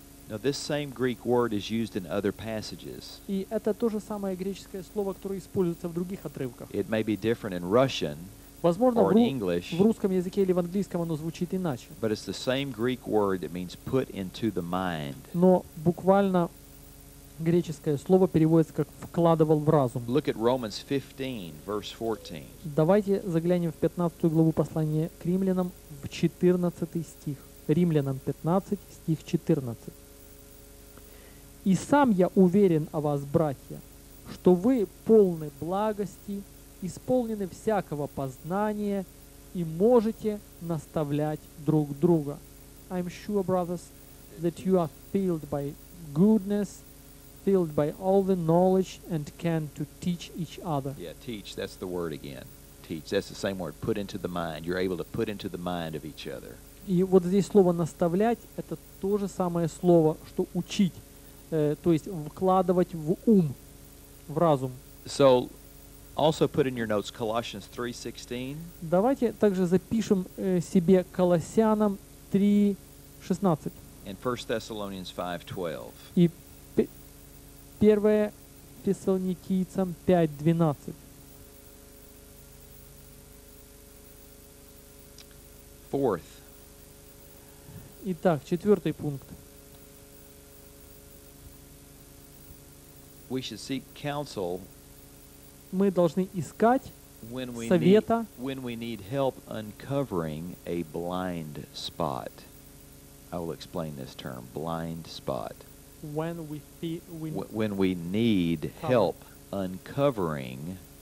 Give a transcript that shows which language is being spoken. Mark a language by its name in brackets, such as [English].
[English] Now this same Greek word is used in other passages. [Russian] И это то же самое греческое слово, которое используется в других отрывках. [English] It may be different in Russian. [Russian] Возможно, [English] or in English, [Russian] в русском языке или в английском оно звучит иначе. [English] But it's the same Greek word that means put into the mind. [Russian] Но буквально греческое слово переводится как вкладывал в разум. [English] Look at Romans 15, verse 14. [Russian] Давайте заглянем в 15 главу послания к Римлянам в 14 стих. Римлянам 15, стих 14. И сам я уверен о вас, братья, что вы полны благости, исполнены всякого познания и можете наставлять друг друга. [English] I'm sure, brothers, that you are filled by goodness, filled by all the knowledge and can to teach each other. Yeah, teach, that's the word again. Teach, that's the same word, put into the mind. You're able to put into the mind of each other. [Russian] И вот здесь слово наставлять, это то же самое слово, что учить, то есть вкладывать в ум, в разум. [English] So, also put in your notes Colossians 3:16. [Russian] Давайте также запишем себе Колоссянам 3:16. [English] And 1 Thessalonians 5:12. [Russian] И 1 Фессалоникийцам 5:12. [English] Fourth. [Russian] Итак, четвертый пункт. [English] We should seek counsel. [Russian] Мы должны искать совета, [English] when we need help uncovering a blind spot. I will explain this term, blind spot. When we need help uncovering,